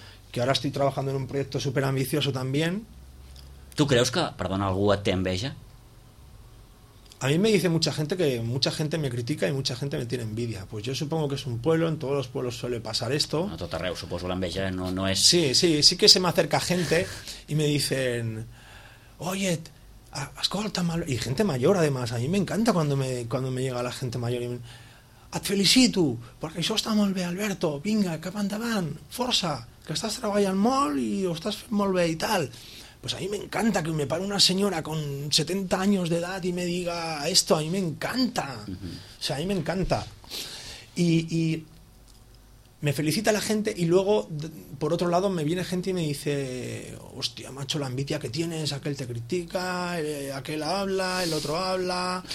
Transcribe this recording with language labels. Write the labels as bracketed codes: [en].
[ca] que ara estic treballant en un projecte super ambiciós també. Tu creus que, perdona, algú et té enveja? [es] A mí me dice mucha gente que mucha gente me critica y mucha gente me tiene envidia. Pues yo supongo que es un pueblo, en todos los pueblos suele pasar esto. [ca] A tot arreu, suposo, la enveja no es... [es] Sí, sí, sí que se me acerca gente y me dicen, oye, escolta, mal... y gente mayor además, a mí me encanta cuando me llega la gente mayor y me... [ca] Et felicito, perquè això està molt bé, Alberto, vinga, cap endavant, força, que estàs treballant molt i ho estàs fent molt bé i tal. [es] Pues a mí me encanta que me pare una señora con 70 años de edad y me diga esto, a mí me encanta. O sea, a mí me encanta. Y me felicita la gente y luego, por otro lado, me viene gente y me dice, hostia, macho, la envidia que tienes, aquel te critica, aquel habla, el otro habla...